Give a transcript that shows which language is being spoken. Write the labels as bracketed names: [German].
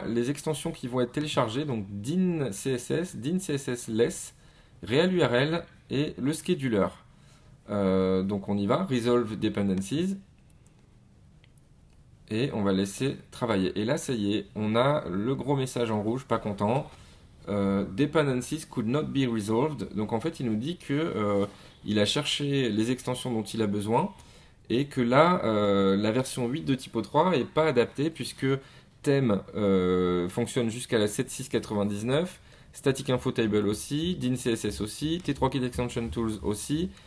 [French] là, les extensions qui vont être téléchargées, donc DIN CSS, DIN CSS Less, Real URL et le Scheduler. Donc on y va, Resolve Dependencies. Et on va laisser travailler. Et là, ça y est, on a le gros message en rouge, pas content. [English] Dependencies could not be resolved. [French] Donc en fait, il nous dit que il a cherché les extensions dont il a besoin. Et que là, la version 8 de Typo 3 n'est pas adaptée puisque Theme fonctionne jusqu'à la 7.6.99, Static Info Table aussi, DIN CSS aussi, T3 Kit Extension Tools aussi,